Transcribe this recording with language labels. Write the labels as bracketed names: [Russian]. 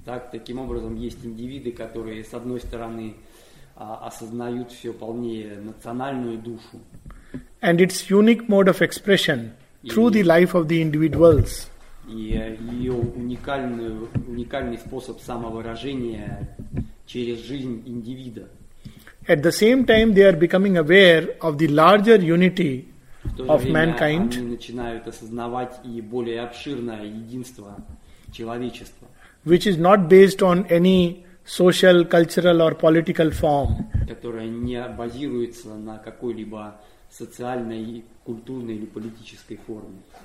[Russian] Таким образом, есть индивиды, которые с одной стороны осознают все полнее национальную душу. [English] And its unique mode of expression through the life of the individuals. [Russian] И ее уникальный способ самовыражения через жизнь индивида. [English] At the same time, they are becoming aware of the larger unity of mankind. [Russian] Они начинают осознавать и более обширное единство человечества, [English] which is not based on any social, cultural, or political form. [Russian] Которое не базируется на какой-либо социальной, культурной или политической форме.